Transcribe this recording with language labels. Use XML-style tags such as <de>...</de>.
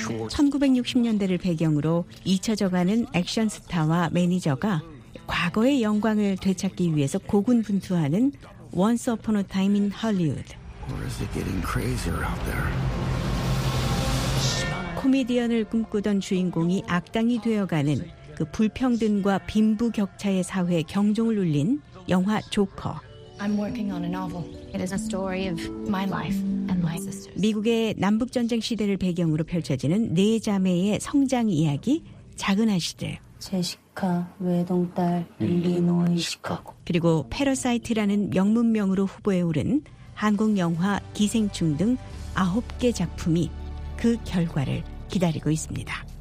<ko>1960년대를 배경으로 잊혀져가는 액션 스타와 매니저가 과거의 영광을 되찾기 위해서 고군분투하는 Once Upon a Time in Hollywood.</ko> <en>Or is it getting crazier out there?</en> <ko>코미디언을 꿈꾸던 주인공이 악당이 되어가는 그 불평등과 빈부 격차의 사회에 경종을 울린 영화 조커.</ko> <en>I'm working on a novel. It is a story of my life and my sisters.</en> <ko>미국의 남북 전쟁 시대를 배경으로 펼쳐지는 네 자매의 성장 이야기 작은 아시들. 제시카, 외동딸, 일리노이, 시카고. 그리고 패러사이트라는 명문명으로 후보에 오른 한국 영화 기생충 등 9개 작품이 그 결과를 기다리고 있습니다.</ko>